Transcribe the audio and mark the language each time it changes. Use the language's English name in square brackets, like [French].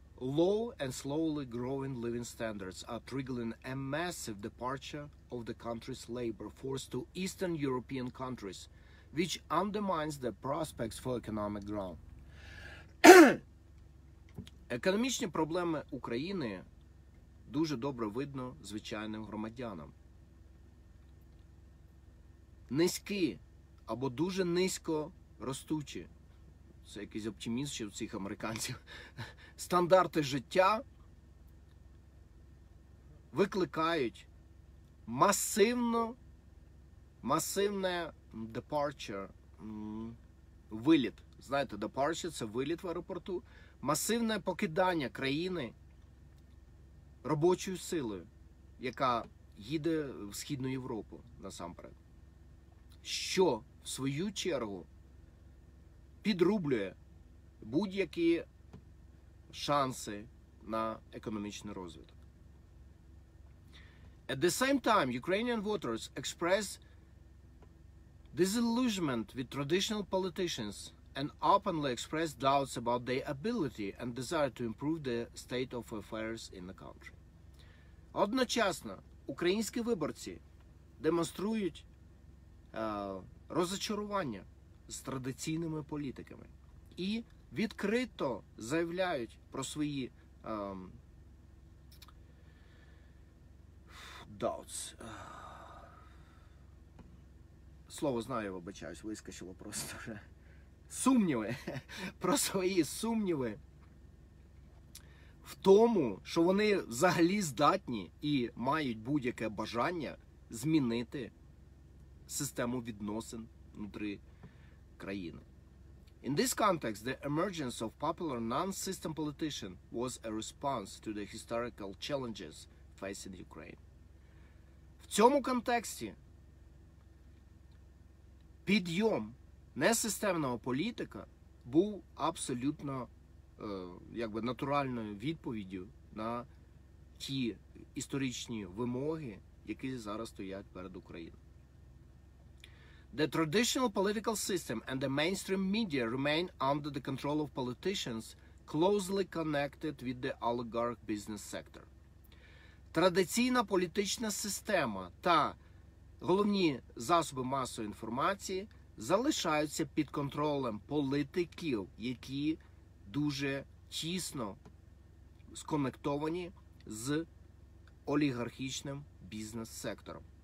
[English] Low and slowly growing living standards are triggering a massive departure of the country's labor force to Eastern European countries, which undermines the prospects for economic growth. [Ukrainian] Економічні проблеми України дуже добре видно звичайним громадянам. Низькі або дуже низько ростучі. Це якийсь оптиміст ще у цих американців. Стандарти життя викликають масивне [English] departure, [Ukrainian] виліт. Знаєте, [English] departure [Ukrainian] – це виліт в аеропорту. Масивне покидання країни робочою силою, яка їде в Східну Європу насамперед. Що, в свою чергу, підрублює будь-які шанси на економічний розвиток. [English] At the same time, Ukrainian voters express disillusionment with traditional politicians and openly express doubts about their ability and desire to improve the state of affairs in the country. [Ukrainian] Одночасно українські виборці демонструють розочарування з традиційними політиками і відкрито заявляють про свої [English] doubts. [Ukrainian] Слово знаю, вибачаюсь, вискочило просто вже. Сумніви. Про свої сумніви в тому, що вони взагалі здатні і мають будь-яке бажання змінити систему відносин внутрі країни. [English] In this context, the emergence of popular non-system politician was a response to the historical challenges facing Ukraine. [Ukrainian] В цьому контексті підйом несистемного політика був абсолютно якби натуральною відповіддю на ті історичні вимоги, які зараз стоять перед Україною. [English] The traditional political system and the mainstream media remain under the control of politicians closely connected with the oligarch business sector. [Ukrainian] Традиційна політична система та головні засоби масової інформації залишаються під контролем політиків, які дуже тісно сконектовані з олігархічним бізнес-сектором.